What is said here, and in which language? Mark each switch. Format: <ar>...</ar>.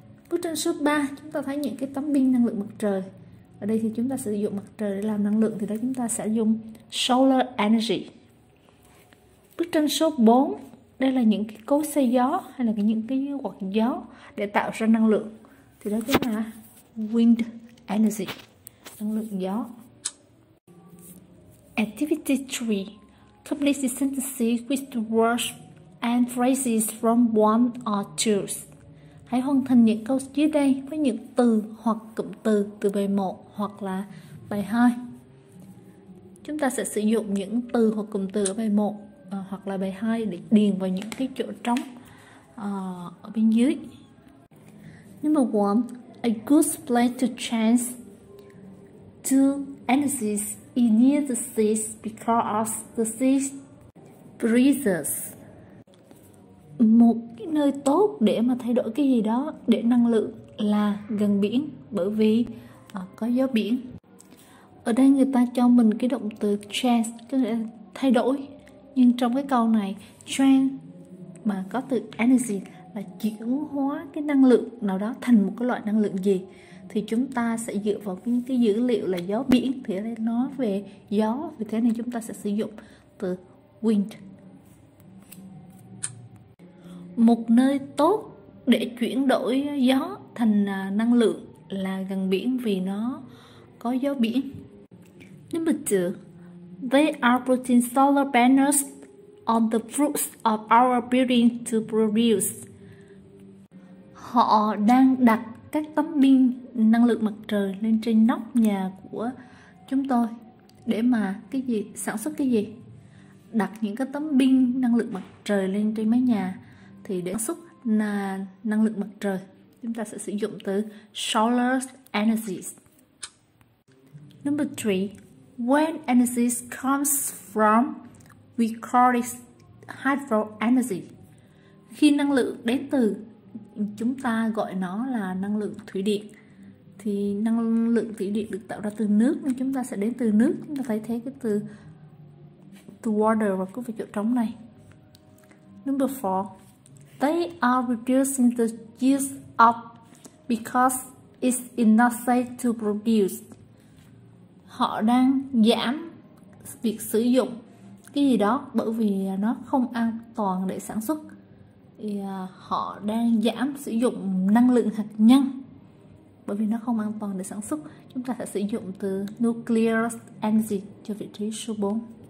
<vi>Bức tranh số 3, chúng ta thấy những cái tấm pin năng lượng mặt trời. Ở đây thì chúng ta sử dụng mặt trời để làm năng lượng, thì đó chúng ta sẽ dùng solar energy. Bức tranh số 4, đây là những cái cối xay gió hay là những cái quạt gió để tạo ra năng lượng, thì đó chính là wind energy, năng lượng gió.</vi> <en>Activity 3. Complete the sentence with the words and phrases from one or two.</en> <vi>Hãy hoàn thành những câu dưới đây với những từ hoặc cụm từ bài 1 hoặc là bài 2. Chúng ta sẽ sử dụng những từ hoặc cụm từ ở bài 1 hoặc là bài 2 để điền vào những cái chỗ trống ở bên dưới.</vi> <en>Number 1. A good place to change to energy is near the sea because of the sea breezes.</en> <vi>Một cái nơi tốt để mà thay đổi cái gì đó, để năng lượng là gần biển bởi vì có gió biển. Ở đây người ta cho mình cái động từ change, có nghĩa là thay đổi. Nhưng trong cái câu này, change mà có từ energy là chuyển hóa cái năng lượng nào đó thành một cái loại năng lượng gì. Thì chúng ta sẽ dựa vào những cái dữ liệu là gió biển, thì ở đây nói về gió, vì thế nên chúng ta sẽ sử dụng từ wind. Một nơi tốt để chuyển đổi gió thành năng lượng là gần biển vì nó có gió biển.</vi> <en>Number two, they are putting solar panels on the roofs of our building to produce.</en> <vi>Họ đang đặt các tấm pin năng lượng mặt trời lên trên nóc nhà của chúng tôi để mà cái gì, sản xuất cái gì? Đặt những cái tấm pin năng lượng mặt trời lên trên mái nhà thì để sản xuất là năng lượng mặt trời. Chúng ta sẽ sử dụng từ solar energy.</vi> <en>Number three, when energy comes from, we call it hydro energy.</en> <vi>Khi năng lượng đến từ, chúng ta gọi nó là năng lượng thủy điện. Thì năng lượng thủy điện được tạo ra từ nước, nên chúng ta sẽ đến từ nước. Chúng ta thay thế cái từ to water vào cái vị trí trống này.</vi> <en>Number four, they are reducing the use of because it's enough safe to produce.</en> <vi>Họ đang giảm việc sử dụng cái gì đó bởi vì nó không an toàn để sản xuất. Thì họ đang giảm sử dụng năng lượng hạt nhân bởi vì nó không an toàn để sản xuất. Chúng ta sẽ sử dụng từ nuclear energy cho vị trí số 4.</vi>